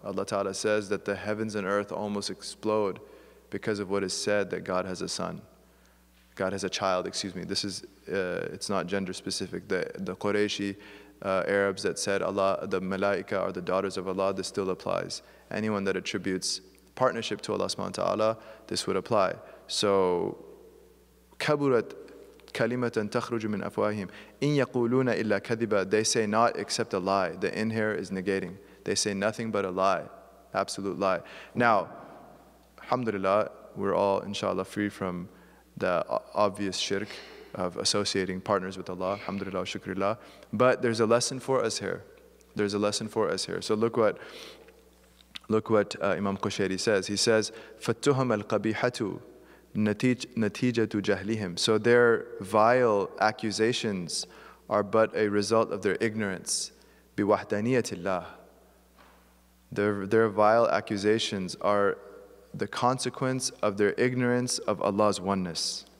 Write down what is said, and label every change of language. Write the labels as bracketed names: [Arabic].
[English] Allah Ta'ala says that the heavens and earth almost explode because of what is said that God has a son. God has a child, excuse me. This is, it's not gender specific. The Qureshi Arabs that said Allah, the Malaika are the daughters of Allah, this still applies. Anyone that attributes partnership to Allah subhanahu wa ta'ala, this would apply. [Arabic] So, كَبُرَتْ كَلِمَةً تَخْرُجُ مِنْ أَفْوَاهِهِمْ إِنْ يَقُولُونَ إِلَّا كَذِبًا, [English] they say not except a lie. The in here is negating. They say nothing but a lie, absolute lie. Now, alhamdulillah, we're all, inshallah, free from the obvious shirk of associating partners with Allah, alhamdulillah wa shukrillah. But there's a lesson for us here. There's a lesson for us here. So look what Imam Qushayri says. He says, [Arabic] فَتُّهَمَ الْقَبِيحَةُ نَتِيجَةُ جَهْلِهِمْ. [English] So their vile accusations are but a result of their ignorance. [Arabic] بِوَحْدَنِيَةِ اللَّهِ. [English] Their vile accusations are the consequence of their ignorance of Allah's oneness.